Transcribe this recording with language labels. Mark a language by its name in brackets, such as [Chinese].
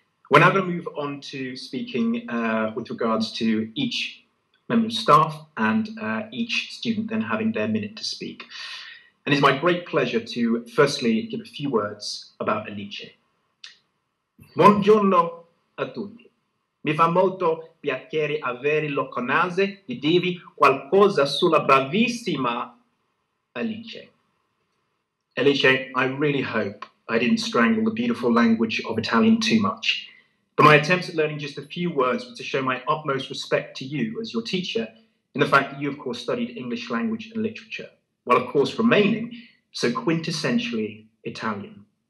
[English] We're now going to move on to speaking with regards to each member of staff and each student then having their minute to speak. And it's my great pleasure to firstly give a few words about Alice. [Italian] Buongiorno a tutti. Mi fa molto piacere avere l'occasione di dirvi qualcosa sulla bravissima Alice. [English] Alice, I really hope I didn't strangle the beautiful language of Italian too much. But my attempts at learning just a few words were to show my utmost respect to you as your teacher in the fact that you, of course, studied English language and literature, while, of course, remaining so quintessentially Italian.